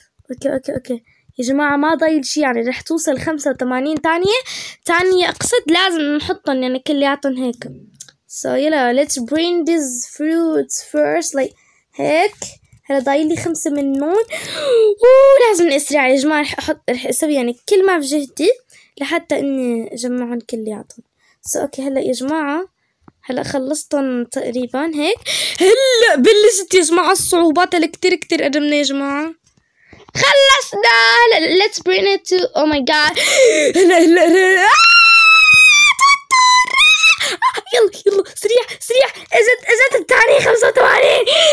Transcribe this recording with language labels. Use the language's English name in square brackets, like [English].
[Arabic] اوكي اوكي اوكي يا جماعة ما ضايل شي، يعني رح توصل 85 تانية اقصد، لازم نحطهم يعني كلياتهم هيك. يلا [English] let's bring these fruits first like [Arabic] هيك. هلا ضايل لي 5 منهم، لازم اسرع يا جماعة. رح اسوي يعني كل ما في جهدي لحتى اني اجمعهم كلياتهم. اوكي هلا يا جماعة هلا خلصتهم تقريبا هيك. هلا بلشت يا جماعة الصعوبات الكتير كتير قدمنا يا جماعة. خلصنا. هلا [English] let's bring it to oh my god. [Arabic] هلا هلا هلا يلا يلا سريع سريع. اجت الثانية 85.